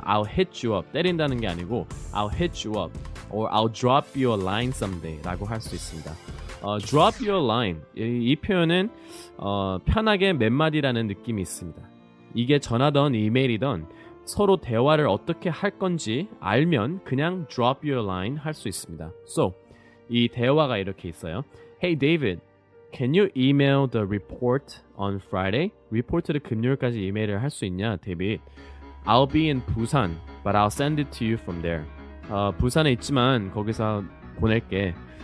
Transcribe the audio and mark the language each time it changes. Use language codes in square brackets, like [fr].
[en] I'll hit you up. [ko] 때린다는 게 아니고 [en] I'll hit you up. Or I'll drop you a line someday. [ko] 라고 할 수 있습니다. [en] Drop you a line. [ko] 이 표현은 편하게 몇 마디라는 느낌이 있습니다. 이게 전화든 이메일이든 서로 대화를 어떻게 할 건지 알면 그냥 drop your line 할 수 있습니다. So, 이 대화가 이렇게 있어요. [en] Hey David, can you email the report on Friday? [ko] 리포트를 금요일까지 이메일을 할 수 있냐, David? [en] I'll be in Busan, but I'll send it to you from there. [ko] 부산에 있지만 거기서 보낼게.